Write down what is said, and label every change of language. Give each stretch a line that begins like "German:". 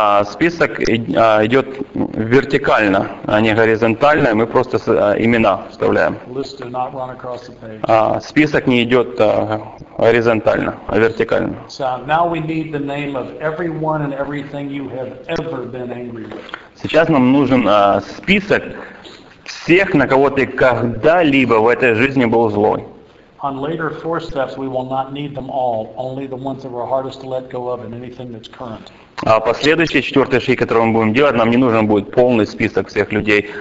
Russian: Список идет вертикально, а не горизонтально. Мы просто имена вставляем.
English: Lists do not run across the page.
Russian: Список не идет горизонтально, а вертикально.
English: So now we need the name of everyone and everything you have ever been angry with.
Russian: Сейчас нам нужен список всех, на кого ты когда-либо в этой жизни был злой.
English: On later four steps we will not need them all, only the ones that were hardest to let go of and anything that's current.
Russian: А последующие четвертые шаги, которые мы будем делать, нам не нужен будет полный список всех людей.